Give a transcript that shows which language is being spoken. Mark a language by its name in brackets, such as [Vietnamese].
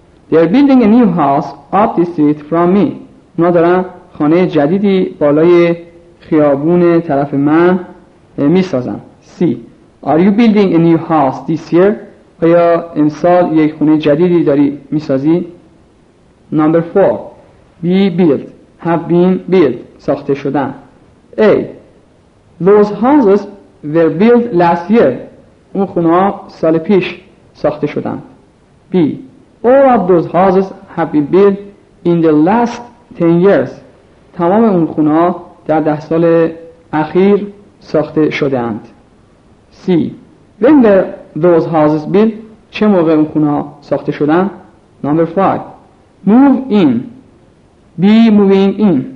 [English] They are building a new house up the street from me. [Persian] اونا دارن خانه جدیدی بالای خیابون طرف من می سازن. [English] C. Are you building a new house this year? [Persian] آیا امسال یک خونه جدیدی داری می سازی؟ [English] Number 4. Be built. Have been built. [Persian] ساخته شدن. [English] A. Those houses were built last year. [Persian] اون خونه سال پیش ساخته شدن. [English] B. All of those houses have been built in the last 10 years. [Persian] تمام اون خونه در 10 سال اخیر ساخته شده اند. [English] C. When were those houses built? [Persian] چه موقع اون خونه ساخته شدن؟ [English] Number 5. Move in. Be moving in.